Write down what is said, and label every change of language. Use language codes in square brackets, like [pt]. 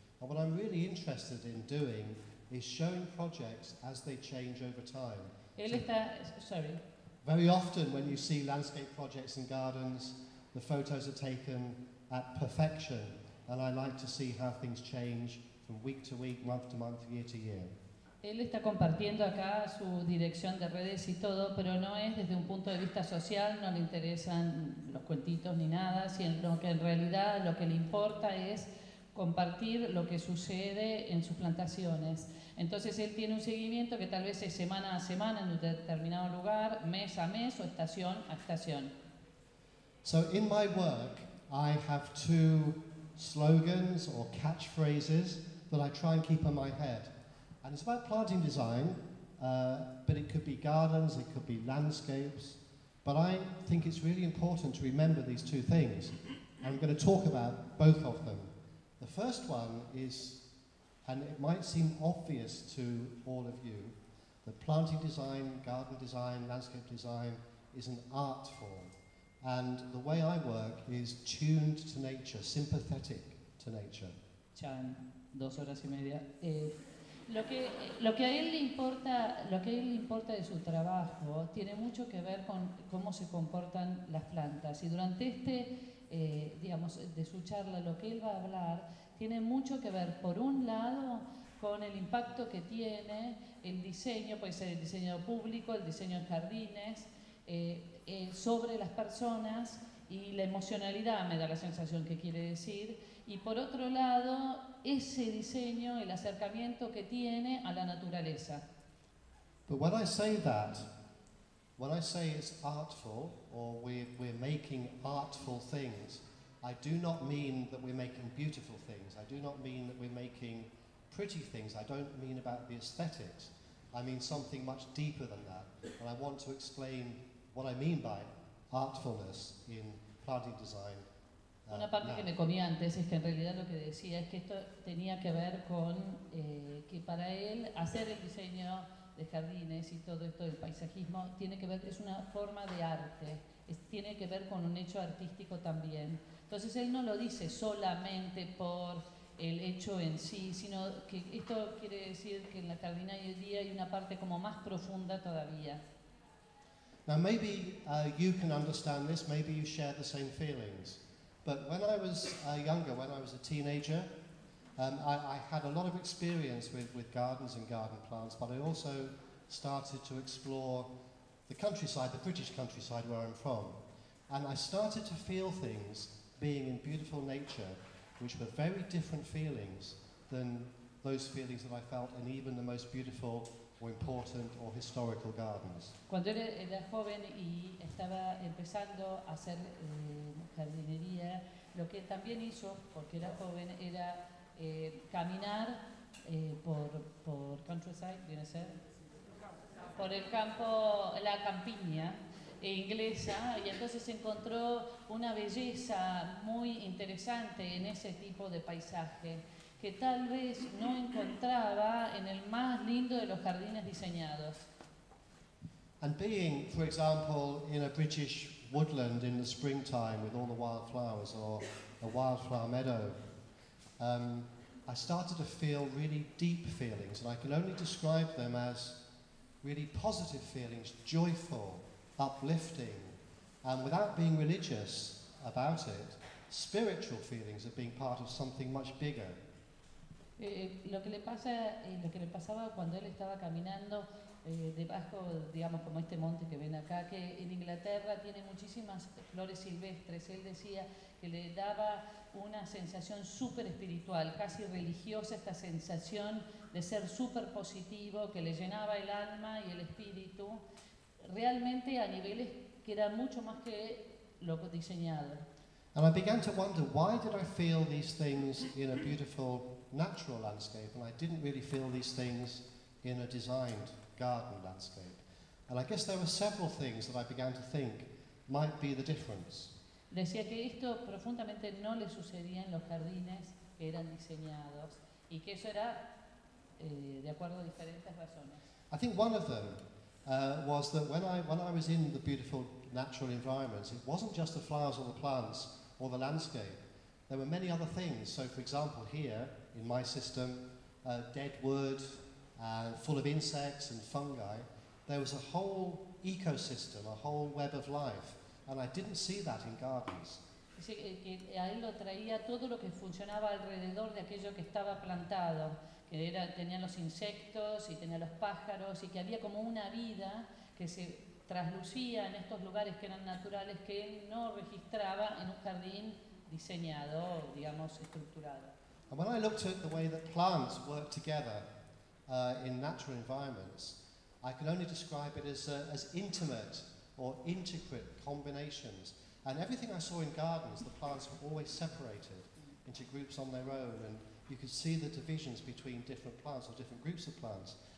[en] And what I'm really interested in doing is showing projects as they change over time. Very often when you see landscape projects and gardens, the photos are taken at perfection, and I like to see how things change from week to week, month to month, year to year. [es] Él está compartiendo acá su dirección de redes y todo, pero no es desde un punto de vista social, no le interesan los cuentitos ni nada, sino que en realidad lo que le importa es compartir lo que sucede en sus plantaciones. Entonces él tiene un seguimiento que tal vez es semana a semana en un determinado lugar, mes a mes o estación a estación. [en] So in my work, I have two slogans or catchphrases that I try and keep in my head. And it's about planting design, but it could be gardens, it could be landscapes. But I think it's really important to remember these two things. I'm going to talk about both of them. The first one is, and it might seem obvious to all of you, that planting design, garden design, landscape design is an art form. And the way I work is tuned to nature, sympathetic to nature. [es] Chan, dos horas y media. Lo que a él le importa de su trabajo tiene mucho que ver con cómo se comportan las plantas. Y durante este, digamos, de su charla, lo que él va a hablar tiene mucho que ver, por un lado, con el impacto que tiene el diseño, puede ser el diseño público, el diseño en jardines, sobre las personas y la emocionalidad, me da la sensación que quiere decir. Y por otro lado, ese diseño, el acercamiento que tiene a la naturaleza. [en] But when I say that, when I say it's artful, or we're making artful things, I do not mean that we're making beautiful things. I do not mean that we're making pretty things. I don't mean about the aesthetics. I mean something much deeper than that. And I want to explain what I mean by artfulness in planting design. [es] Una parte que me comí antes es que en realidad lo que decía es que esto tenía que ver con que para él hacer el diseño de jardines y todo esto del paisajismo tiene que ver, es una forma de arte, tiene que ver con un hecho artístico también. Entonces él no lo dice solamente por el hecho en sí, sino que esto quiere decir que en la jardinería hay una parte como más profunda todavía. [en] Now maybe you can understand this, maybe you share the same feelings. But when I was younger, when I was a teenager, I had a lot of experience with gardens and garden plants, but I also started to explore the countryside, the British countryside where I'm from. And I started to feel things being in beautiful nature, which were very different feelings than those feelings that I felt in even the most beautiful or important or historical gardens. [es] Cuando era joven y estaba empezando a hacer jardinería, lo que también hizo, porque era joven, era caminar por countryside, viene a ser, por el campo, la campiña inglesa, y entonces encontró una belleza muy interesante en ese tipo de paisaje, que tal vez no encontraba en el más lindo de los jardines diseñados. [en] And being, for example, in a British woodland in the springtime with all the wildflowers or a wildflower meadow, I started to feel really deep feelings, and I can only describe them as really positive feelings, joyful, uplifting, and without being religious about it, spiritual feelings of being part of something much bigger. [es] Lo que le pasaba cuando él estaba caminando debajo, digamos, como este monte que ven acá, que en Inglaterra tiene muchísimas flores silvestres, él decía que le daba una sensación súper espiritual, casi religiosa, esta sensación de ser súper positivo, que le llenaba el alma y el espíritu, realmente a niveles que era mucho más que lo diseñado. [en] And I began to wonder, why did I feel these things in a beautiful natural landscape, and I didn't really feel these things in a designed garden landscape. And I guess there were several things that I began to think might be the difference. [es] Decía que esto profundamente no le sucedía en los jardines que eran diseñados, y que eso era de acuerdo a diferentes razones. [en] I think one of them was that when I was in the beautiful natural environments, it wasn't just the flowers or the plants or the landscape. There were many other things. So for example, here in my system, dead wood, full of insects and fungi, there was a whole ecosystem, a whole web of life, and I didn't see that in gardens. [es] Sí, que a él lo traía todo lo que funcionaba alrededor de aquello que estaba plantado, que era, tenía los insectos y tenía los pájaros, y que había como una vida que se traslucía en estos lugares que eran naturales que él no registraba en un jardín diseñado, digamos, estructurado. [en] And when I looked at the way that plants work together in natural environments, I can only describe it as intimate or intricate combinations. And everything I saw in gardens, the plants were always separated into groups on their own, and you could see the divisions between different plants or different groups of plants.